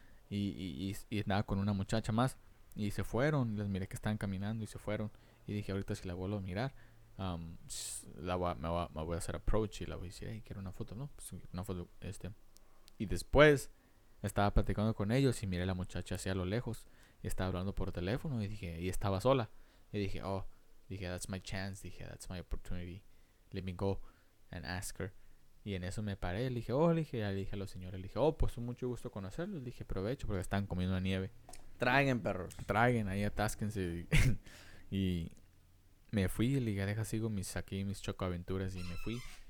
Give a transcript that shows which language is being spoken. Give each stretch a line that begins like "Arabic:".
Spanish: Y andaba con una muchacha más. Y se fueron, les miré que estaban caminando y se fueron. Y dije, ahorita si la vuelvo a mirar, me voy a hacer approach y la voy a decir,
English: hey,
Spanish: quiero una foto, ¿no? Pues, una foto, Y después estaba platicando con ellos y miré a la muchacha así a lo lejos y estaba hablando por teléfono y dije, y estaba sola. Y dije, oh, dije,
English: that's my chance, dije, that's my opportunity. Let me go and ask her.
Spanish: Y en eso me paré, le dije a los señores, le dije, oh, pues mucho gusto conocerlos. Le dije, provecho porque están comiendo la nieve. Traigan, perros. Traigan, ahí atásquense. Y me fui y le dije, deja, sigo mis chocoaventuras y me fui.